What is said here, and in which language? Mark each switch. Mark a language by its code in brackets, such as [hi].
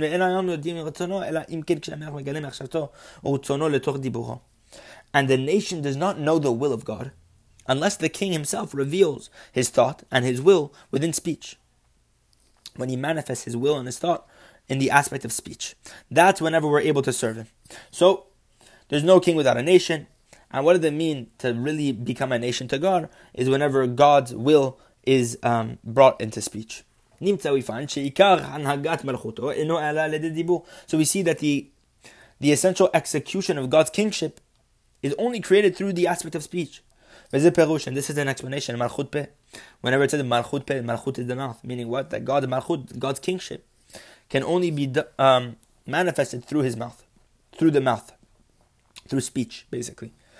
[he] ואין היום יודעים רצונו, אלא אם כן כשהמלך מגלה מחשבתו, רצונו לתוך דיבורו. [en] And the nation does not know the will of God, unless the king himself reveals his thought and his will within speech. When he manifests his will and his thought in the aspect of speech. That's whenever we're able to serve him. So there's no king without a nation. And what does it mean to really become a nation to God? Is whenever God's will is brought into speech. [he] נמצא ויפן שעיקר הנהגת מלכותו אינו אלא לידי דיבור. [en] So we see that the essential execution of God's kingship is only created through the aspect of speech. [he] וזה פירוש, [en] and this is an explanation, מלכות פה. Whenever it says מלכות פה, מלכות is the mouth. Meaning what? That God's מלכות, God's kingship, can only be manifested through his mouth. Through the mouth. Through speech, basically.